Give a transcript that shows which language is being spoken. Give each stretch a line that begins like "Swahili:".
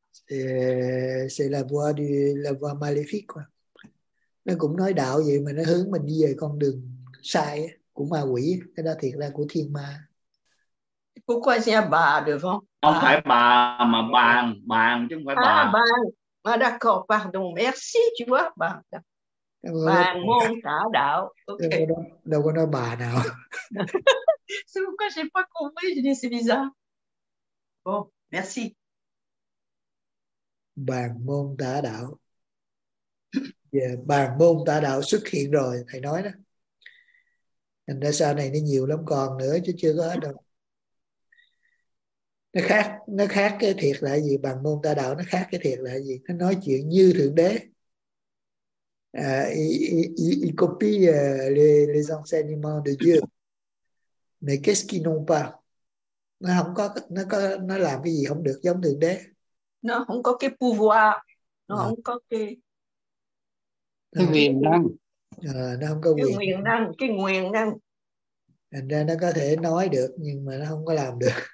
French: C'est la voie maléfique quoi.
Vietnamese: Nó cũng nói đạo vậy mà nó hướng mình đi về con đường sai của ma quỷ, cái đó thiệt ra của thiên ma.
French: Pourquoi c'est bà
Vietnamese: được không? Không phải bà mà bàn chứ không phải bà.
French: Bà. Ah, d'accord, pardon, merci, tu vois, bà.
Vietnamese: Bà môn tả đạo. Okay. Đâu có nói bà nào.
French: C'est pourquoi j'ai pas compris, je dis c'est bizarre. Bon, merci.
Vietnamese: Bàn môn tả đạo. Bàn môn tả đạo xuất hiện rồi, thầy nói đó. Thành ra sau này nó nhiều lắm, còn nữa chứ chưa có hết đâu. Nó khác cái thiệt là gì? Bàn môn tả đạo nó khác cái thiệt là gì? Nó nói chuyện như Thượng Đế.
French: Ils copient les enseignements de Dieu. Mais qu'est-ce qu'ils n'ont pas?
Vietnamese: Nó không có, nó làm cái gì không được giống Thượng Đế. Nó không có cái pouvoir. Nó không có cái quyền năng. Nó không có quyền năng. Cái quyền năng. Thành ra nó có thể nói được nhưng mà nó không có làm được.